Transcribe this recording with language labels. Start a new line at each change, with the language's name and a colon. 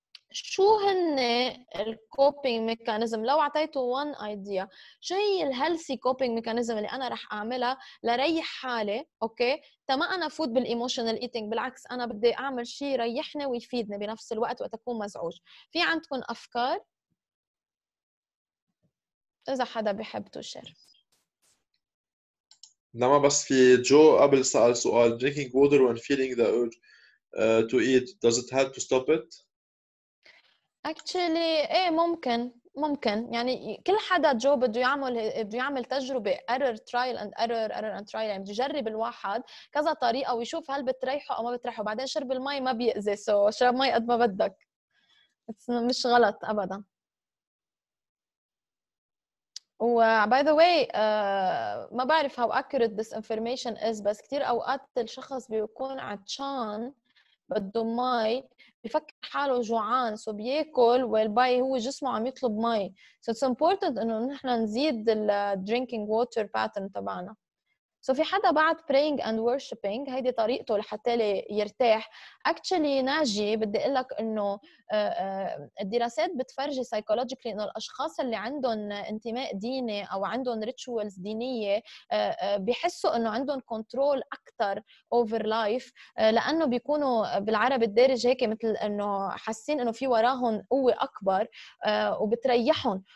Arabic: شو هن الكوبينج ميكانيزم؟ لو عطيته وان ايديا شو هي الهيلثي كوبينج ميكانيزم اللي انا رح اعملها لريح حالي اوكي تما انا فوت بالايموشنال ايتينج؟ بالعكس انا بدي اعمل شيء يريحني ويفيدني بنفس الوقت وقت اكون مزعوج. في عندكم افكار؟ اذا حدا بحب تشير. لما بس في جو قبل سأل سؤال
English: drinking water when feeling the urge to eat does it help to stop it؟
Arabic: Actually إيه ممكن ممكن يعني كل حدا جو بده يعمل تجربة error trial and error يعني يجرب الواحد كذا طريقة ويشوف هل بتريحه أو ما بتريحه. بعدين شرب الماء ما بيأذي so شرب ماء قد ما بدك مش غلط أبدا. و by the way ما بعرف
English: how accurate this information is
Arabic: بس كتير أوقات الشخص بيكون عطشان بده مي بفكر حاله جوعان سو بياكل والباي هو جسمه عم يطلب مي.
English: So it's important
Arabic: انه نحن نزيد ال
English: drinking water pattern تبعنا.
Arabic: So في حدا بعد
English: praying and worshiping
Arabic: هيدي طريقته لحتى لي يرتاح. Actually ناجي بدي اقول لك انه الدراسات بتفرجي psychologically انه الاشخاص اللي عندهم انتماء ديني او عندهم rituals دينية بيحسوا انه عندهم control اكتر
English: over life
Arabic: لانه بيكونوا بالعربي الدارج هيك مثل انه حاسين انه في وراهم قوة اكبر وبتريحهم.